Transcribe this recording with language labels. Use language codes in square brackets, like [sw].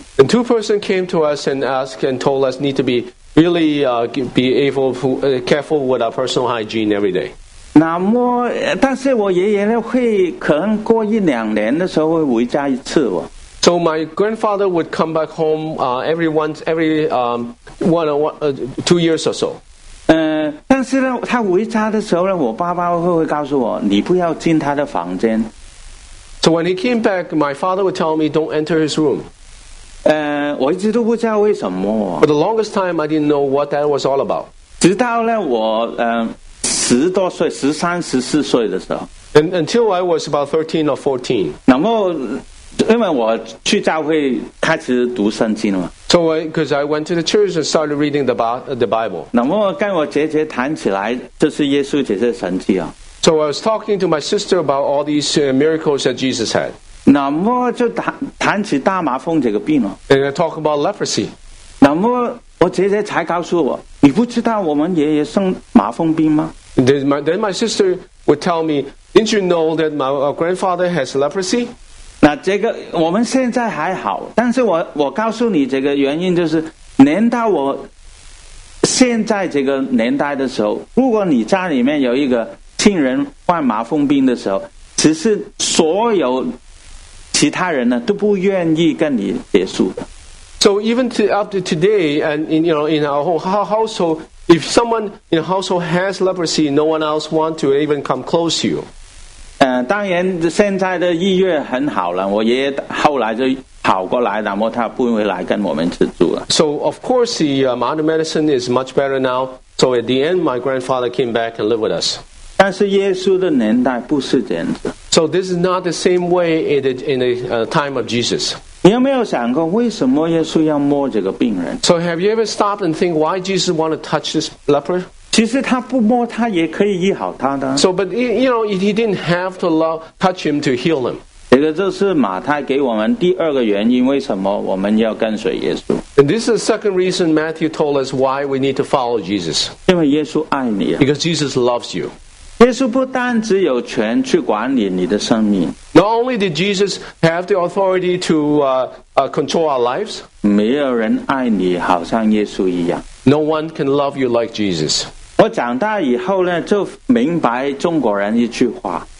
[en] And two persons came to us and asked and told us need to be really be able to careful with our personal hygiene every day. [zh] 那么，但是我爷爷呢，会可能过一两年的时候会回家一次哦。 [en] So my grandfather would come back home every 2 years or so. [zh] 但是呢，他回家的时候呢，我爸爸会告诉我，你不要进他的房间。 [en] So when he came back, my father would tell me, don't enter his room. [zh] 我一直都不知道为什么。 [en] For the longest time, I didn't know what that was all about. [zh] 直到呢，我十多岁，十三、十四岁的时候。 [en] And until I was about 13 or 14. [zh] 那么，因为我去教会开始读圣经了。 [en] So because I went to the church and started reading the Bible. [zh] 那么跟我姐姐谈起来，就是耶稣这些神迹啊。 [en] So I was talking to my sister about all these miracles that Jesus had. [zh] 那么就谈起大麻风这个病了。 [en] And I talk about leprosy. [zh] 那么我姐姐才告诉我，你不知道我们爷爷生麻风病吗？ [en] Then my sister would tell me, didn't you know that my grandfather has leprosy? [zh] 那这个我们现在还好，但是我告诉你这个原因就是，年到我现在这个年代的时候，如果你家里面有一个亲人患麻风病的时候，其实所有其他人呢都不愿意跟你接触的。 [en] So even to up to today, and in, you know, in our whole household, if someone in a household has leprosy, no one else wants to even come close to you. [zh] 当然现在的医院很好了，我爷爷后来就跑过来，那么他不会来跟我们吃住了。 [en] So of course, the modern medicine is much better now. So at the end, my grandfather came back and lived with us. [zh] 但是耶稣的年代不是这样子。 [en] So this is not the same way in the time of Jesus. [zh] 你有没有想过为什么耶稣要摸这个病人？ [en] So have you ever stopped and think why Jesus want to touch this leper? [zh] 其实他不摸他也可以医好他的。 [en] So, but you know, he didn't have to touch him to heal him. [zh] 这个就是马太给我们第二个原因，为什么我们要跟随耶稣。 [en] And this is the second reason Matthew told us why we need to follow Jesus. [zh] 因为耶稣爱你。 [en] Because Jesus loves you. [zh] 耶稣不但只有权去管理你的生命。 [en] Not only did Jesus have the authority to control our lives. [zh] 没有人爱你好像耶稣一样。 [en] No one can love you like Jesus. [zh] 我长大以后呢，就明白中国人一句话。